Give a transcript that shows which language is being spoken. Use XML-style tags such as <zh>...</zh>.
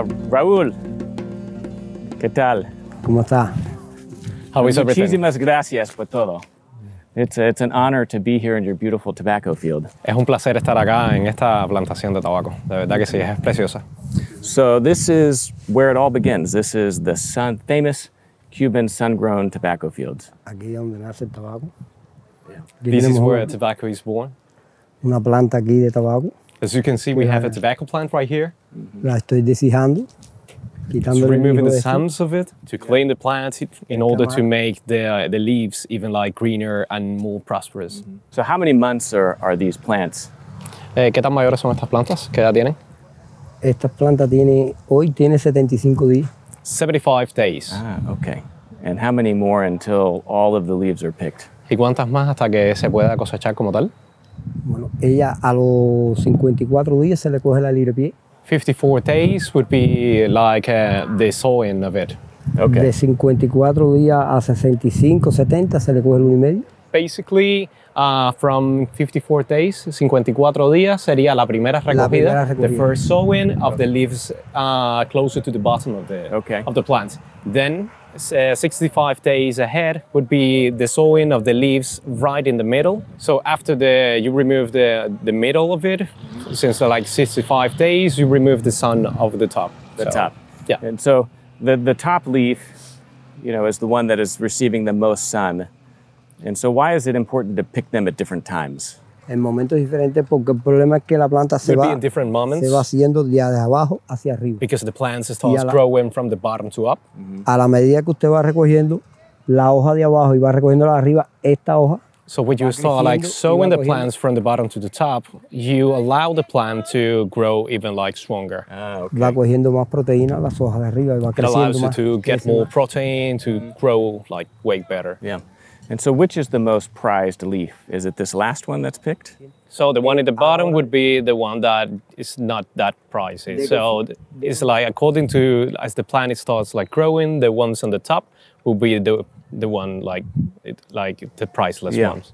<es>Raul, ¿qué tal? ¿Cómo está?</es> <en>How is everything?</en> <es>Muchísimas gracias por todo.</es> <en>It's an honor to be here in your beautiful tobacco field.</en> <es>Es un placer estar acá en esta plantación de tabaco. De verdad que sí, es preciosa.</es> <en>So this is where it all begins. This is the famous Cuban sun-grown tobacco fields.</en> <es>Aquí donde nace el tabaco.</es> <en>Yeah. This is where tobacco is born.</en> <es>Una planta aquí de tabaco.</es> <en>As you can see, we have a tobacco plant right here.</en> <es>Mm-hmm. La estoy deshijando.</es> <en>So removing the stems of it to clean the plant in order to make the leaves even like greener and more prosperous. Mm-hmm. So how many months are these plants?</en> <es>¿Qué tan mayores son estas plantas? ¿Qué edad tienen? Esta planta tiene hoy tiene 75 días.</es> <en>75 days. Ah, okay. And how many more until all of the leaves are picked? ¿Y cuántas más hasta que se pueda cosechar como tal?</en> <es>Bueno, ella a los 54 días se le coge la libre pie.</es> <en>54 days would be like the sowing of it. Okay.</en> <es>De 54 días a 65, 70 se le coge el 1 y medio.</es> <en>Basically, from 54 days,</en> <es>54 días sería la primera recogida,</es> <en>the first sowing of the leaves closer to the bottom of the of the plant. Then 65 days ahead would be the sowing of the leaves right in the middle. So after you remove the middle of it, since like 65 days, you remove the sun of the top. Top. Yeah. And so the top leaf, you know, is the one that is receiving the most sun. And so why is it important to pick them at different times?</en> <es>En momentos diferentes, porque el problema es que la planta se va haciendo de abajo hacia arriba.</es> <en>Because the plant starts growing from the bottom to up. Mm-hmm.</en> <es>A la medida que usted va recogiendo la hoja de abajo y va recogiendo la de arriba, esta hoja.</es> <en>So what you saw, like sowing the plants from the bottom to the top, you allow the plant to grow even like stronger.</en> <es>Ah, okay. Va cogiendo más proteína las hojas de arriba y va creciendo más.</es> <en>It allows you to get more protein to grow like way better. Yeah. And so which is the most prized leaf? Is it this last one that's picked? So the one at the bottom would be the one that is not that pricey. So it's like according to as the plant starts like growing, the ones on the top will be the one like the priceless yeah. ones.</en>